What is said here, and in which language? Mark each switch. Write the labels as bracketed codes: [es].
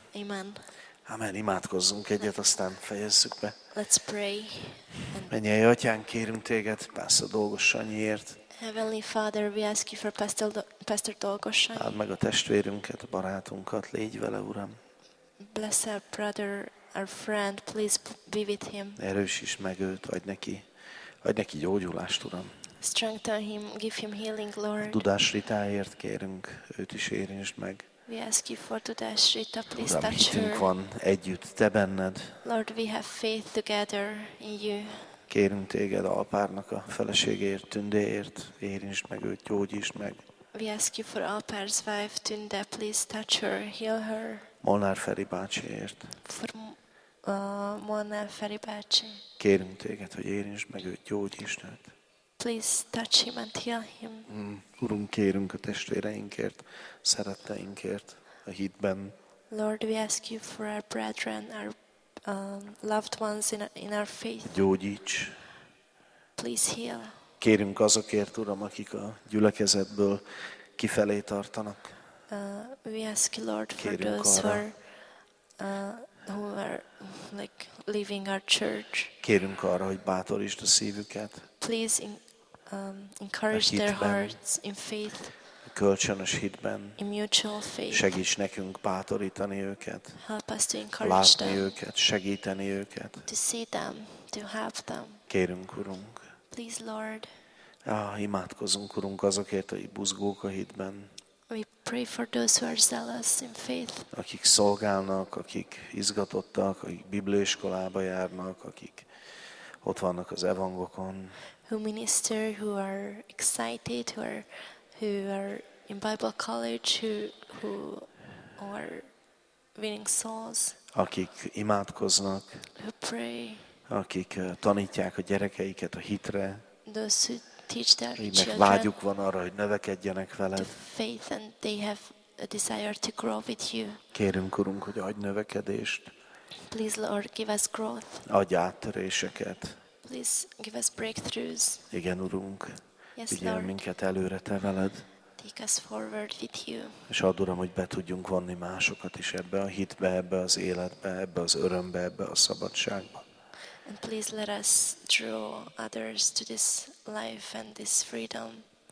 [hu] Amen. Amen. Imádkozzunk egyet, aztán fejezzük be. [en] Let's pray. [hu] Mennyei Atyánk, kérünk téged, Pásztor Dolgos Sanyiért. [en] Heavenly Father, we ask you for Pastor Dolgos Sanyi. [hu] Áld meg a testvérünket, a barátunkat, légy vele, Uram. [en] Bless our brother, our friend, please be with him. [hu] Erősíts meg őt, adj neki gyógyulást, Uram. [en] Strengthen him, give him healing, Lord. [hu] A Dudás Ritáért kérünk, őt is érintsd meg. [en] We ask you for Dudás Rita, please touch her. [hu] Uram, hitünk van együtt, te benned. [en] Lord, we have faith together in you. [hu] Kérünk téged Alpárnak a feleségéért, Tündéért, érintsd meg őt, gyógyítsd meg. [en] We ask you for Alpár's wife, Tünde, please touch her, heal her. [hu] Molnár Feri bácsiért. [en] For Molnár Feri bácsi. [hu] Kérünk téged, hogy érintsd meg őt, gyógyítsd őt. [en] Please touch him and heal him. [hu] Urunk, kérünk a testvéreinkért, szeretteinkért, a hitben. [en] Lord, we ask you for our brethren, our loved ones in our faith. [hu] Gyógyíts. [en] Please heal. [hu] Kérünk azokért, Uram, akik a gyülekezetből kifelé tartanak. [en] We ask you, Lord, for those who are like leaving our church. [hu] Kérünk arra, hogy bátorítsd a szívüket. [en] Please encourage their hearts in faith. [hu] Kölcsönös hitben. [en] In mutual faith. [hu] Segíts nekünk bátorítani őket. [en] Help us to encourage them. [hu] Látni őket, segíteni őket. [en] To see them, to help them. [hu] Kérünk, Urunk. [en] Please, Lord. [hu] Imádkozunk, Urunk, azokért, hogy buzgók a hitben. [en] We pray for those who are zealous in faith. [hu] Akik szolgálnak, akik izgatottak, akik bibliaiskolába járnak, akik ott vannak az evangokon. [en] Who minister, who are excited, who are in Bible college, who are winning souls. [hu] Akik imádkoznak. [en] Who pray. [hu] Akik tanítják a gyerekeiket a hitre. [en] Those who teach their children. [hu] Akiknek vágyuk van arra, hogy növekedjenek veled. [en] To faith and they have a desire to grow with you. [hu] Kérünk, Urunk, hogy adj növekedést. [en] Please, Lord, give us growth. [hu] Adj áttöréseket. [en] Please give us breakthroughs. [hu] Igen, Urunk. [en] Yes, [hu] vigyel minket előre, te veled. [en] Take us forward with you. [hu] És add, Uram, hogy be tudjunk vonni másokat is ebbe a hitbe, ebbe az életbe, ebbe az örömbe, ebbe a szabadságba. [en] And please let us draw others to this life and this freedom.